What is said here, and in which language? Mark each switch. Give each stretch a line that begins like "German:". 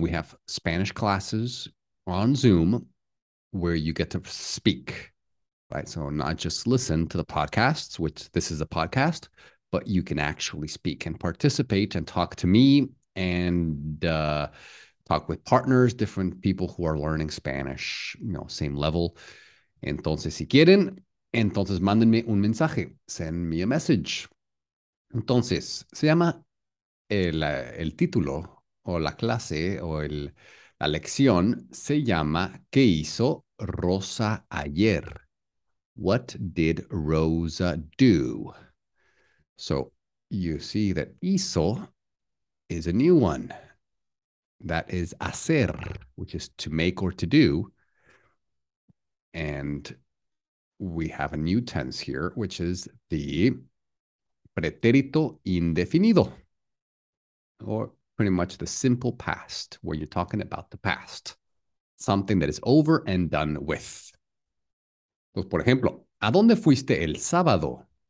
English: We have Spanish classes on Zoom, where you get to speak, right? So not just listen to the podcasts, which this is a podcast, but you can actually speak and participate and talk to me and talk with partners, different people who are learning Spanish, you know, same level.
Spanish: Entonces, si quieren, entonces mándenme un mensaje,
English: send me a message.
Spanish: Entonces, se llama el título o la clase o el... La lección se llama ¿Qué hizo Rosa ayer?
English: What did Rosa do? So you see that hizo is a new one. That is hacer, which is to make or to do. And we have a new tense here, which is the pretérito indefinido. Or pretty much the simple past, where you're talking about the past. Something that is over and done with.
Spanish: Entonces, por ejemplo, ¿a dónde fuiste el sábado?